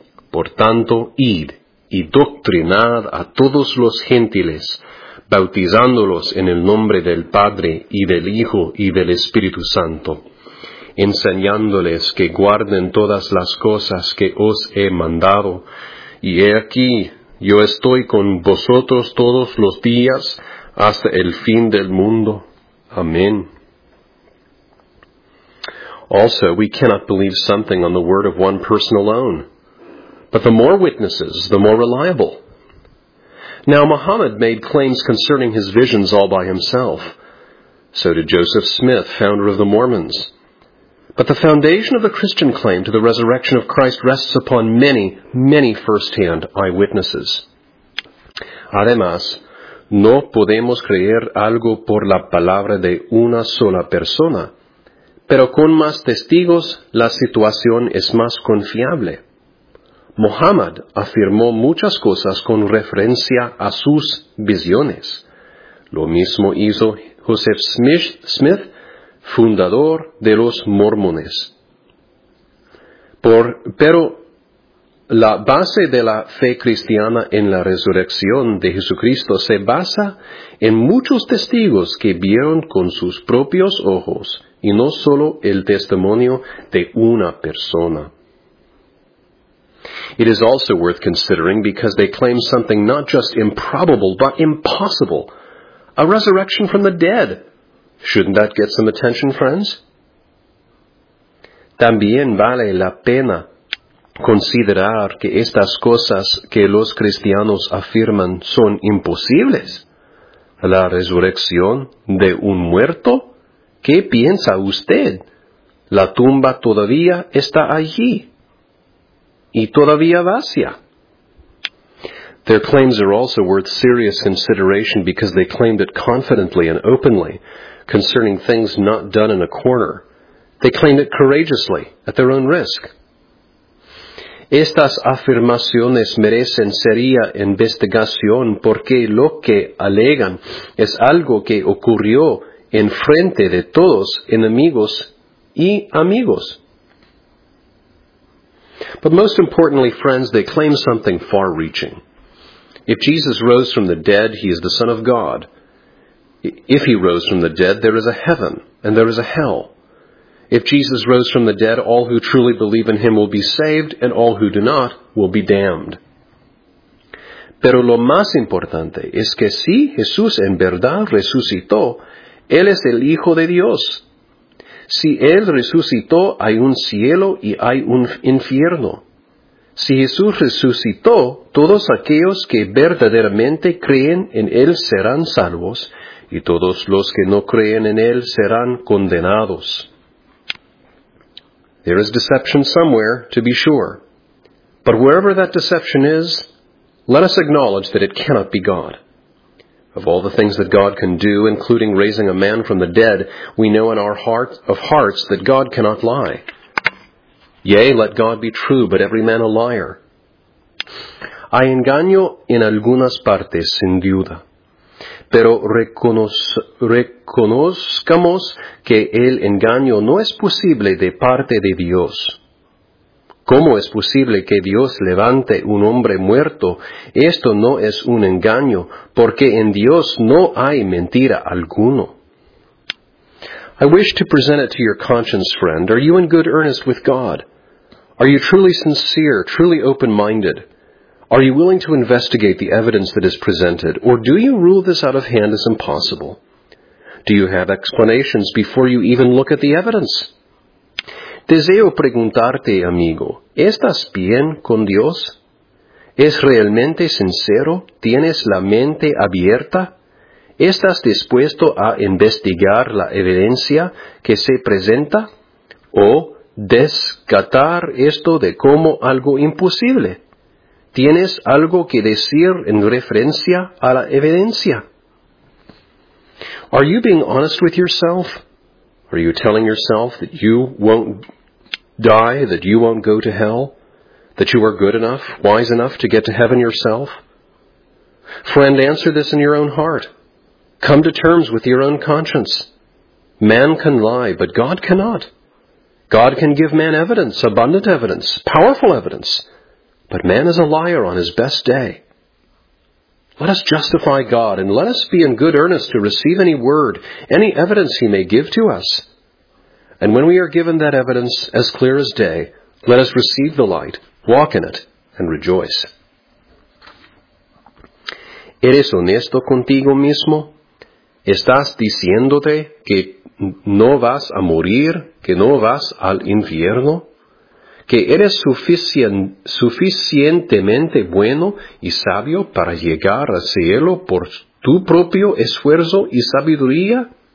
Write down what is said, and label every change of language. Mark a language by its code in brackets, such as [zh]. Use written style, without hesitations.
[es] Por tanto, id y doctrinad a todos los gentiles, bautizándolos en el nombre del Padre, y del Hijo, y del Espíritu Santo, enseñándoles que guarden todas las cosas que os he mandado. Y he aquí, yo estoy con vosotros todos los días, hasta el fin del mundo. Amén. [en] Also, we cannot believe something on the word of one person alone, but the more witnesses, the more reliable. Now, Muhammad made claims concerning his visions all by himself. So did Joseph Smith, founder of the Mormons. But the foundation of the Christian claim to the resurrection of Christ rests upon many, many first-hand eyewitnesses. [es] Además, no podemos creer algo por la palabra de una sola persona. Pero con más testigos, la situación es más confiable. Muhammad afirmó muchas cosas con referencia a sus visiones. Lo mismo hizo Joseph Smith, fundador de los mormones. Pero la base de la fe cristiana en la resurrección de Jesucristo se basa en muchos testigos que vieron con sus propios ojos y no solo el testimonio de una persona. [en] It is also worth considering because they claim something not just improbable, but impossible. A resurrection from the dead. Shouldn't that get some attention, friends? [es] También vale la pena considerar que estas cosas que los cristianos afirman son imposibles? ¿La resurrección de un muerto? ¿Qué piensa usted? La tumba todavía está allí. Y todavía vacía. [en] Their claims are also worth serious consideration because they claimed it confidently and openly concerning things not done in a corner. They claimed it courageously, at their own risk. [es] Estas afirmaciones merecen seria investigación porque lo que alegan es algo que ocurrió en frente de todos, enemigos y amigos. [en] But most importantly, friends, they claim something far-reaching. If Jesus rose from the dead, he is the Son of God. If he rose from the dead, there is a heaven and there is a hell. If Jesus rose from the dead, all who truly believe in him will be saved, and all who do not will be damned. [es] Pero lo más importante es que si Jesús en verdad resucitó, él es el Hijo de Dios. Si él resucitó, hay un cielo y hay un infierno. Si Jesús resucitó, todos aquellos que verdaderamente creen en él serán salvos, y todos los que no creen en él serán condenados. [en] There is deception somewhere, to be sure. But wherever that deception is, let us acknowledge that it cannot be God. Of all the things that God can do, including raising a man from the dead, we know in our hearts of hearts that God cannot lie. Yea, let God be true, but every man a liar. [es] Hay engaño en algunas partes, sin duda. Pero reconozcamos que el engaño no es posible de parte de Dios. ¿Cómo es posible que Dios levante un hombre muerto? Esto no es un engaño, porque en Dios no hay mentira alguno. [en] I wish to present it to your conscience, friend. Are you in good earnest with God? Are you truly sincere, truly open-minded? Are you willing to investigate the evidence that is presented, or do you rule this out of hand as impossible? Do you have explanations before you even look at the evidence? [es] Deseo preguntarte, amigo, ¿estás bien con Dios? ¿Es realmente sincero? ¿Tienes la mente abierta? ¿Estás dispuesto a investigar la evidencia que se presenta? ¿O descartar esto de como algo imposible? ¿Tienes algo que decir en referencia a la evidencia? [en] Are you being honest with yourself? Are you telling yourself that you won't die, that you won't go to hell, that you are good enough, wise enough to get to heaven yourself? Friend, answer this in your own heart. Come to terms with your own conscience. Man can lie, but God cannot. God can give man evidence, abundant evidence, powerful evidence. But man is a liar on his best day. Let us justify God, and let us be in good earnest to receive any word, any evidence he may give to us. And when we are given that evidence, as clear as day, let us receive the light, walk in it, and rejoice. [es] ¿Eres honesto contigo mismo? ¿Estás diciéndote que no vas a morir, que no vas al infierno? ¿Que eres suficientemente bueno y sabio para llegar al cielo por tu propio esfuerzo y sabiduría?